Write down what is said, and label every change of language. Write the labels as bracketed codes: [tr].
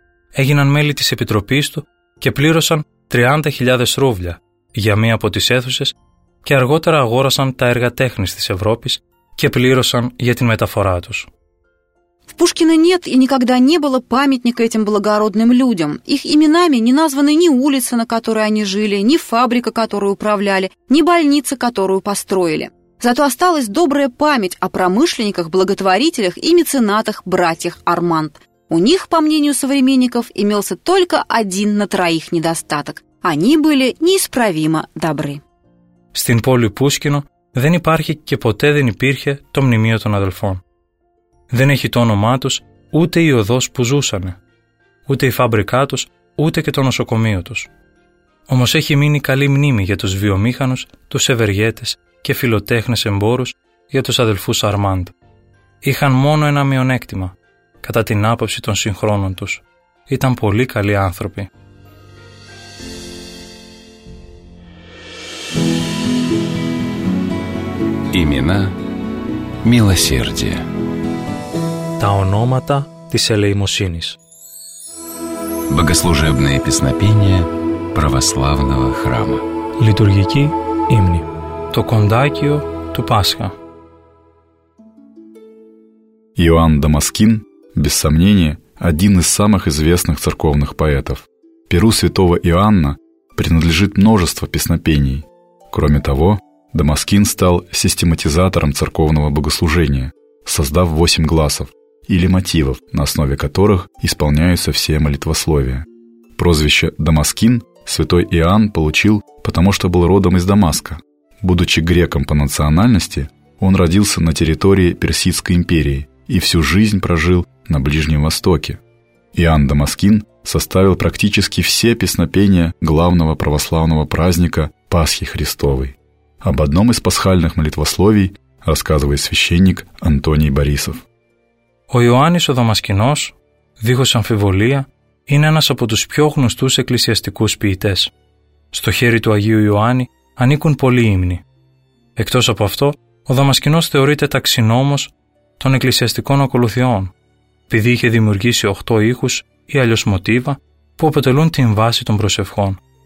[el] Έγιναν μέλη της επιτροπής του και πλήρωσαν 30.000 ρούβλια για μία από τις αίθουσες και αργότερα αγόρασαν τα έργα τέχνης της Ευρώπης και πλήρωσαν για την μεταφορά τους. [ru] В Пушкино нет и никогда не было памятника этим благородным людям. Их именами не названы ни улица, на которой они жили, ни фабрика, которую управляли, ни больница, которую построили. Зато осталась добрая память о промышленниках, благотворителях и меценатах братьях Арманд. У них, по мнению современников, имелся только один на троих недостаток. Они были неисправимо добры. [el] Στην πόλη Пушкино δεν υπάρχει και ποτέ δεν υπήρχε το μνημείο των αδελφών. Δεν έχει το όνομά τους ούτε η οδός που ζούσανε, ούτε η φάμπρικά τους, ούτε και το νοσοκομείο τους. Όμως έχει μείνει καλή μνήμη για τους βιομήχανους, τους ευεργέτες και φιλοτέχνες εμπόρους για τους αδελφούς Αρμάντ. Είχαν μόνο ένα μειονέκτημα, κατά την άποψη των συγχρόνων τους. Ήταν πολύ καλοί άνθρωποι. [ru] Ημινά Μιλοσέρδια. [el] Τα ονόματα της ελεημοσύνης. [ru] Богослужебные песнопения православного храма. [el] Λειτουργική ύμνη. Το κοντάκιο του Πάσχα. [ru] Иоанн Дамаскин, без сомнения, один из самых известных церковных поэтов. Перу святого Иоанна принадлежит множество песнопений. Кроме того, Дамаскин стал систематизатором церковного богослужения, создав 8 гласов или мотивов, на основе которых исполняются все молитвословия. Прозвище «Дамаскин» святой Иоанн получил, потому что был родом из Дамаска. Будучи греком по национальности, он родился на территории Персидской империи и всю жизнь прожил на Ближнем Востоке. Иоанн Дамаскин составил практически все песнопения главного православного праздника Пасхи Христовой. Об одном из пасхальных молитвословий рассказывает священник Антоний Борисов. [el] Ο Ιωάννης ο Δαμασκηνός, δίχως αμφιβολία, είναι ένας από τους πιο γνωστούς εκκλησιαστικούς ποιητές. Στο χέρι του Αγίου Ιωάννη ανήκουν πολλοί ύμνοι. Εκτός από αυτό, ο Δαμασκηνός θεωρείται ταξινόμος των εκκλησιαστικών ακολουθιών, επειδή είχε δημιουργήσει 8 ήχους ή αλλιώς μοτίβα που αποτελούν την βάση των προσευχών.